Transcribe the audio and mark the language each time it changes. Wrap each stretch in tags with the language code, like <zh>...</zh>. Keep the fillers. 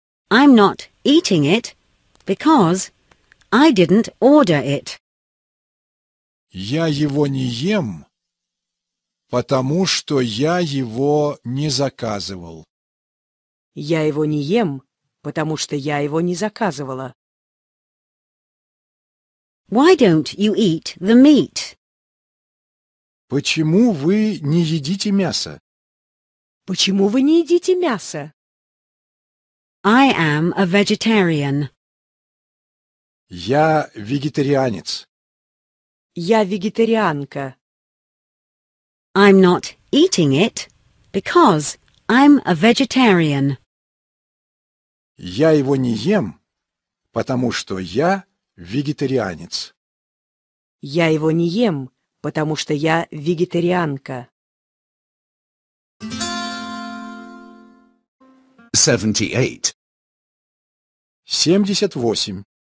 <en>I'm not eating it because I didn't order it.</en> <ru>Я его не ем, потому что я его не заказывал. Я его не ем, потому что я его не заказывала.</ru> <en>Why don't you eat the meat?</en> <ru>Почему вы не едите мясо? Почему вы не едите мясо?</ru> <en>I am a vegetarian.</en> <ru>Я вегетарианец. Я вегетарианка.</ru> <en>I'm not eating it because I'm a vegetarian.</en> <ru>Я его не ем, потому что я вегетарианец. Я его не ем, потому что я вегетарианка. 78. 78.</ru>